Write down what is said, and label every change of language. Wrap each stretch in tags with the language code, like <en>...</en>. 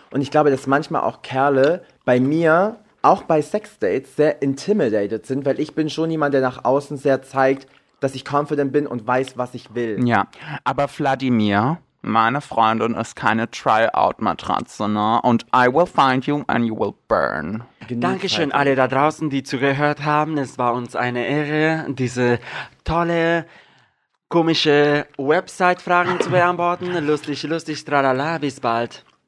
<de>Und ich glaube, dass manchmal auch Kerle bei mir, auch bei Sexdates, sehr intimidated sind, weil ich bin schon jemand, der nach außen sehr zeigt, dass ich confident bin und weiß, was ich will. Ja, aber Vladimir, meine Freundin ist keine Try-Out-Matratze, ne? Und</de> <en>I will find you and you will burn.</en> <de>Dankeschön, alle da draußen, die zugehört haben. Es war uns eine Ehre, diese tolle, komische Website-Fragen zu beantworten. Lustig, tralala, bis bald.</de>